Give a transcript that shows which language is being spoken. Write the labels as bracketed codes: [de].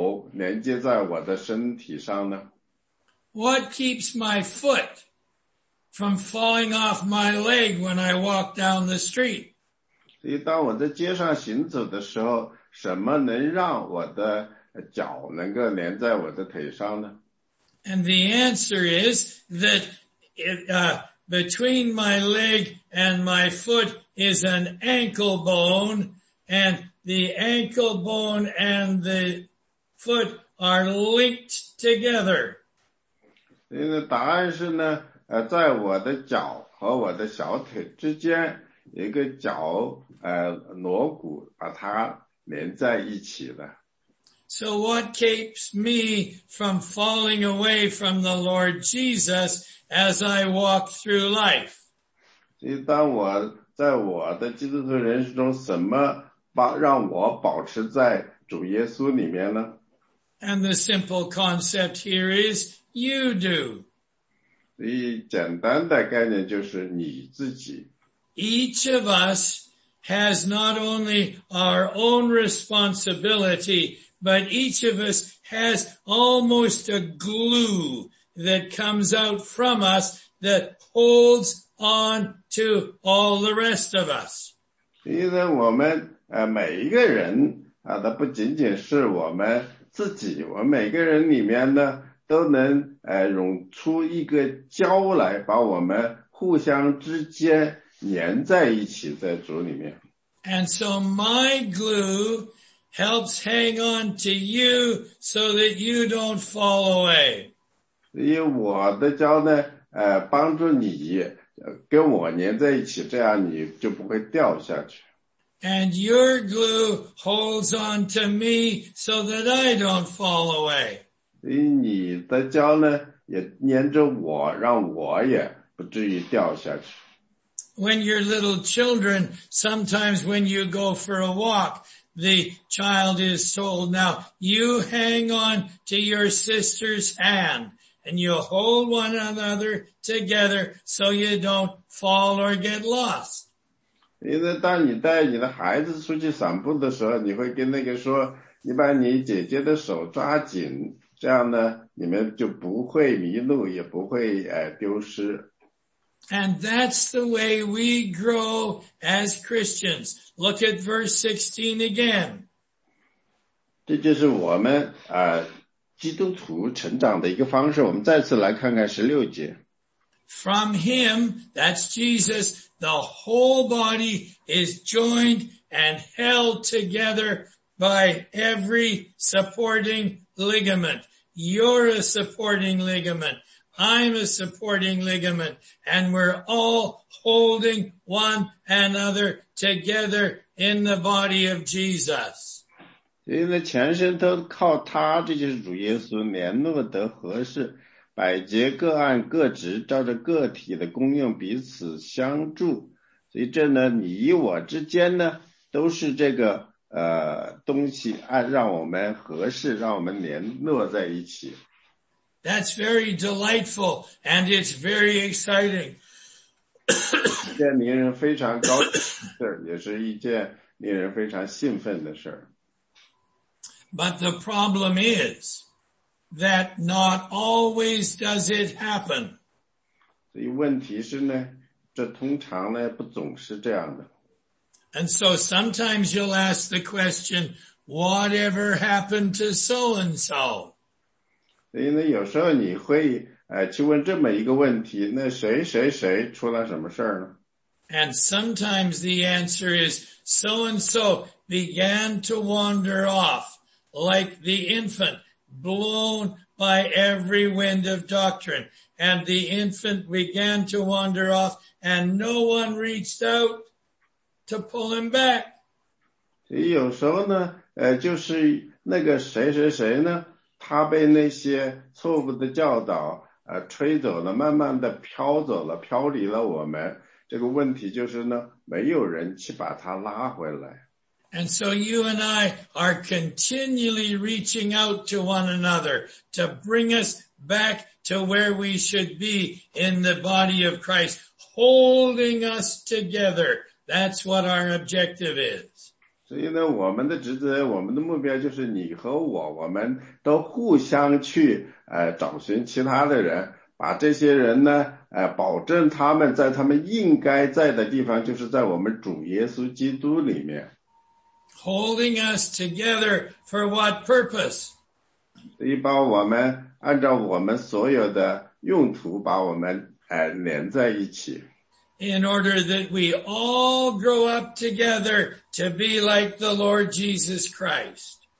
[zh] 所以呢，什么把我的手连接在我的身体上呢？ [en] What keeps my foot from falling off my leg when I walk down the street? [zh] 所以当我在街上行走的时候，什么能让我的脚能够连在我的腿上呢？ [en] And the answer is that between my leg and my foot is an ankle bone, and the ankle bone and the foot are linked together. [zh] 因为答案是呢，在我的脚和我的小腿之间一个脚锣骨把它连在一起了。 [en] So what keeps me from falling away from the Lord Jesus as I walk through life? [zh] 所以当我在我的基督徒人生中什么让我保持在主耶稣里面呢？ [en] And the simple concept here is you do. [zh] 所以简单的概念就是你自己。 [en] Each of us has not only our own responsibility, but each of us has almost a glue that comes out from us that holds on to all the rest of us. [zh] 因为我们每一个人它不仅仅是我们自己，我们每个人里面呢都能融出一个胶来，把我们互相之间粘在一起在主里面。 [en] And so my glue helps hang on to you so that you don't fall away. [zh] 所以我的胶呢帮助你跟我粘在一起，这样你就不会掉下去。 [en] And your glue holds on to me so that I don't fall away. [zh] 所以你的胶呢也粘着我，让我也不至于掉下去。 [en] When you're little children, sometimes when you go for a walk, the child is told, now you hang on to your sister's hand and you hold one another together so you don't fall or get lost. [zh] 因为当你带你的孩子出去散步的时候，你会跟那个说，你把你姐姐的手抓紧，这样呢，你们就不会迷路，也不会丢失。 [en] And that's the way we grow as Christians. Look at verse 16 again. [zh] 这就是我们基督徒成长的一个方式。我们再次来看看16节。 [en] From him, that's Jesus, the whole body is joined and held together by every supporting ligament. You're a supporting ligament. I'm a supporting ligament, and we're all holding one another together in the body of Jesus. [zh] 所以呢，全身都靠他，这就是主耶稣，联络得合适，百节各按各职，照着个体的功用彼此相助。所以这呢，你我之间呢，都是这个东西，让我们合适，让我们联络在一起。 [en] That's very delightful and it's very exciting. [zh] 一件令人非常高兴的事，也是一件令人非常兴奋的事。 [en] But the problem is that not always does it happen. [zh] 所以问题是呢，这通常呢不总是这样的。 [en] And so sometimes you'll ask the question, whatever happened to so and so? [zh] 所以呢，有时候你会去问这么一个问题，那谁谁谁出了什么事儿呢？ [en] And sometimes the answer is so and so began to wander off like the infant blown by every wind of doctrine, and the infant began to wander off and no one reached out to pull him back. [zh] 所以有时候呢就是那个谁谁谁呢，他被那些错误的教导吹走了，慢慢的飘走了，飘离了我们。这个问题就是呢，没有人去把他拉回来。 [en] And so you and I are continually reaching out to one another to bring us back to where we should be in the body of Christ, holding us together. That's what our objective is. [zh] 所以呢，我们的职责，我们的目标就是你和我，我们都互相去找寻其他的人，把这些人呢保证他们在他们应该在的地方，就是在我们主耶稣基督里面。 [en] Holding us together for what purpose? [zh] 所以把我们按照我们所有的用途把我们连在一起。 [en] In order that we all grow up together to be like the Lord Jesus Christ.